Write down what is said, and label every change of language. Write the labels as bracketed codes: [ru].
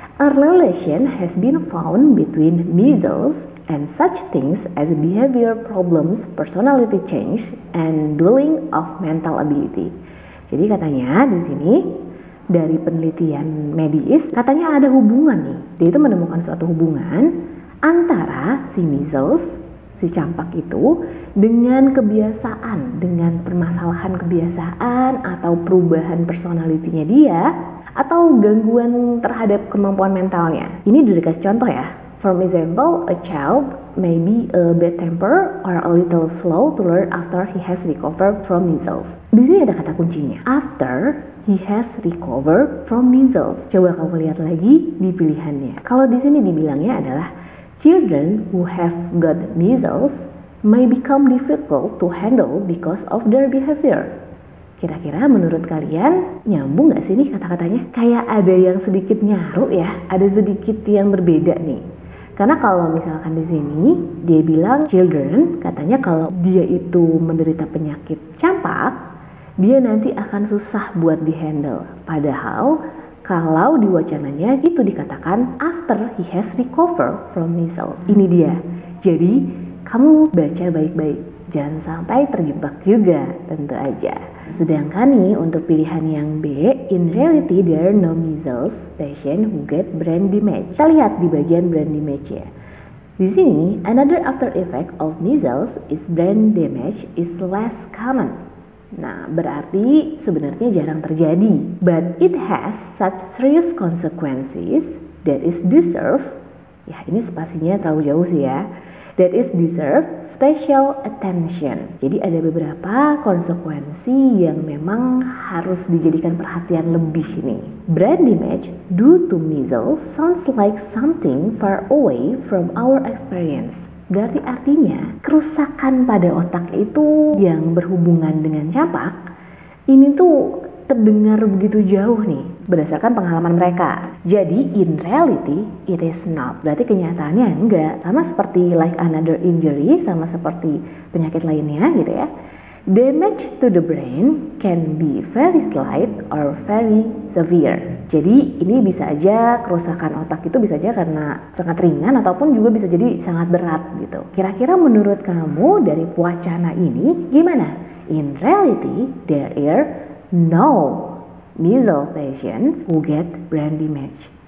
[en] A relation has been found between measles and such things as behavior problems, personality change, and dulling of mental ability. [id] Jadi katanya di sini dari penelitian medis, katanya ada hubungan nih. Dia itu menemukan suatu hubungan antara si measles, si campak itu, dengan kebiasaan, dengan permasalahan kebiasaan atau perubahan personalitinya dia, atau gangguan terhadap kemampuan mentalnya. Ini dikasih contoh ya. [en] For example, a child may be a bad temper or a little slow to learn after he has recovered from measles. [id] Di sini ada kata kuncinya. [en] After he has recovered from measles. [id] Coba kamu lihat lagi di pilihannya. Kalau di sini dibilangnya adalah [en] children who have got measles may become difficult to handle because of their behavior. [id] Kira-kira menurut kalian nyambung nggak sih nih kata-katanya? Kayak ada yang sedikit nyaru ya, ada sedikit yang berbeda nih. Karena kalau misalkan di sini dia bilang children, katanya kalau dia itu menderita penyakit campak, dia nanti akan susah buat dihandle. Padahal kalau di wacananya itu dikatakan [en] after he has recovered from measles. [id] Ini dia. Jadi kamu baca baik-baik, jangan sampai terjebak juga tentu aja. Sedangkan nih untuk pilihan yang B, [en] in reality there are no measles patient who get brain damage. [id] Kita lihat di bagian brain damage ya. Di sini, [en] another after effect of measles is brain damage is less common. [id] Nah, berarti sebenarnya jarang terjadi. [en] But it has such serious consequences that is deserved. [id] Ya, ini spasinya terlalu jauh sih ya. [en] That is deserved special attention. [id] Jadi ada beberapa konsekuensi yang memang harus dijadikan perhatian lebih nih. [en] Brain damage due to measles sounds like something far away from our experience. [id] Berarti artinya kerusakan pada otak itu yang berhubungan dengan campak ini tuh terdengar begitu jauh nih berdasarkan pengalaman mereka. Jadi [en] in reality it is not. [id] Berarti kenyataannya enggak, sama seperti [en] like another injury, [id] sama seperti penyakit lainnya gitu ya. [en] Damage to the brain can be very slight or very severe. [id] Jadi ini bisa aja kerusakan otak itu bisa aja karena sangat ringan ataupun juga bisa jadi sangat berat gitu. Kira-kira menurut kamu dari wacana ini gimana? [en] In reality there are no measles patients who get brain damage.